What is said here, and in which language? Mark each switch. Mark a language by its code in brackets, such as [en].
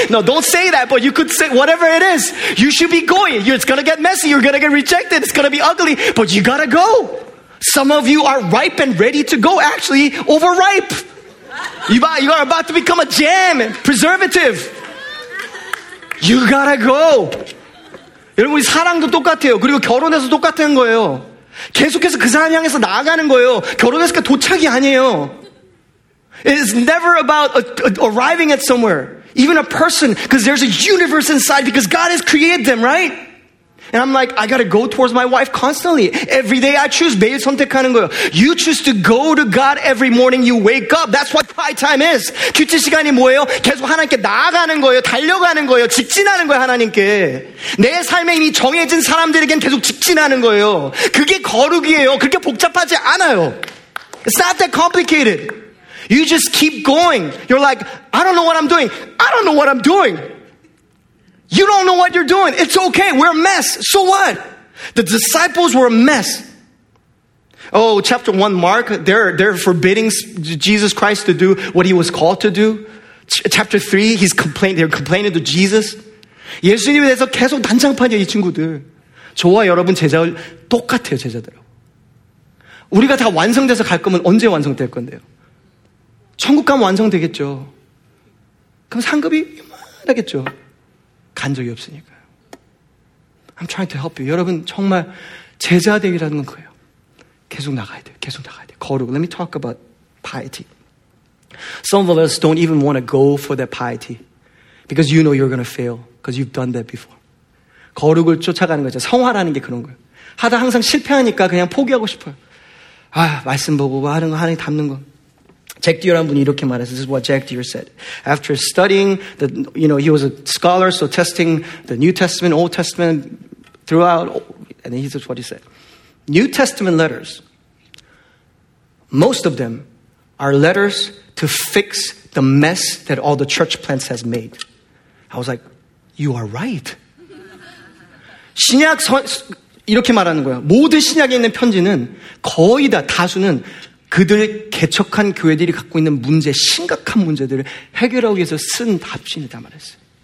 [en] No, don't say that, but you could say whatever it is. You should be going. It's going to get messy. You're going to get rejected. It's going to be ugly, but you got to go. Some of you are ripe and ready to go, actually, overripe. You are about to become a jam, preservative. You got to go. [ko] 여러분, 우리 사랑도 똑같아요. 그리고 결혼해서 똑같은 거예요. 계속해서 그 사람 향해서 나아가는 거예요. 결혼했으니까 도착이 아니에요. [en] It's never about arriving at somewhere. Even a person, because there's a universe inside because God has created them, right? And I'm like, I gotta go towards my wife constantly. Every day I choose [ko] 매일 선택하는 거예요. [en] You choose to go to God every morning you wake up. That's what quiet time is. [ko] 큐티 시간이 뭐예요? 계속 하나님께 나아가는 거예요. 달려가는 거예요. 직진하는 거예요, 하나님께. 내 삶에 이미 정해진 사람들에게는 계속 직진하는 거예요. 그게 거룩이에요. 그렇게 복잡하지 않아요. [en] It's not that complicated. You just keep going. You're like, I don't know what I'm doing. I don't know what I'm doing. You don't know what you're doing. It's okay. We're a mess. So what? The disciples were a mess. Oh, chapter 1, Mark, they're forbidding Jesus Christ to do what he was called to do. Chapter 3, they're complaining to Jesus. [ko] 예수님에 대해서 계속 난장판이에요, 이 친구들. 저와 여러분 제자들 똑같아요, 제자들하고. 우리가 다 완성돼서 갈 거면 언제 완성될 건데요? 천국 가면 완성되겠죠. 그럼 상급이 이만하겠죠. 간 적이 없으니까요. [en] I'm trying to help you. [ko] 여러분 정말 제자 되기라는 건 그거예요. 계속 나가야 돼요. 계속 나가야 돼요. 거룩. [en] Let me talk about piety. Some of us don't even want to go for that piety because you know you're going to fail because you've done that before. [ko] 거룩을 쫓아가는 거죠. 성화라는 게 그런 거예요. 하다 항상 실패하니까 그냥 포기하고 싶어요. 아, 말씀 보고 뭐 하는 거 하나님 닮는 거. Jack Deere란 분이 이렇게 말했어요. [en] This is what Jack Deere said. After studying, you know, he was a scholar, so testing the New Testament, Old Testament, throughout, and this is what he said. New Testament letters, most of them are letters to fix the mess that all the church plants has made. I was like, you are right. [ko] 신약, 이렇게 말하는 거야. 모든 신약에 있는 편지는 거의 다, 다수는 그들 개척한 교회들이 갖고 있는 문제, 심각한 문제들을 해결하기 위해서 쓴 답신이다 말했어요.